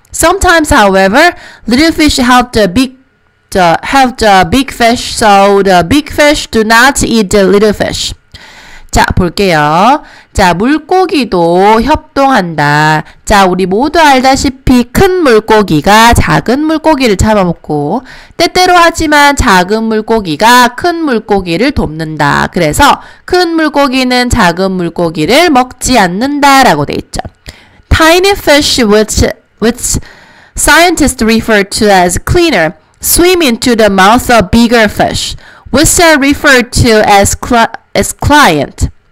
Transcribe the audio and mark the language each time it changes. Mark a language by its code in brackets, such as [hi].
[en] Sometimes, however, little fish help the big fish, so the big fish do not eat the little fish. [ko] 자, 볼게요. 자, 물고기도 협동한다. 자, 우리 모두 알다시피 큰 물고기가 작은 물고기를 잡아먹고 때때로 하지만 작은 물고기가 큰 물고기를 돕는다. 그래서 큰 물고기는 작은 물고기를 먹지 않는다 라고 돼 있죠. [en] Tiny fish which scientists refer to as cleaner swim into the mouth of bigger fish which are referred to as client.